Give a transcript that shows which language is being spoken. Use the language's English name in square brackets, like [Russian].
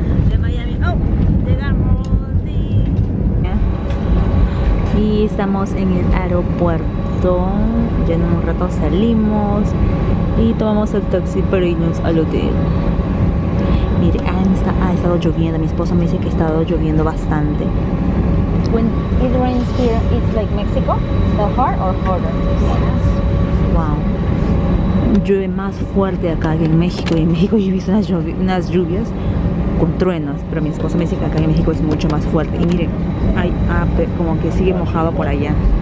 [Spanish] De Miami. Oh, llegamos. Y estamos en el aeropuerto. Ya en un rato salimos. Y tomamos el taxi para irnos al hotel. Mire, ha estado lloviendo. Mi esposo me dice que ha estado lloviendo bastante. [English] When it rains here, it's like Mexico, the hard or harder? Yes. [Spanish] Wow. Llueve más fuerte acá que en México. Y en México yo he visto unas lluvias con truenos. Pero mi esposo me dice que acá en México es mucho más fuerte. Y miren, hay como que sigue mojado por allá.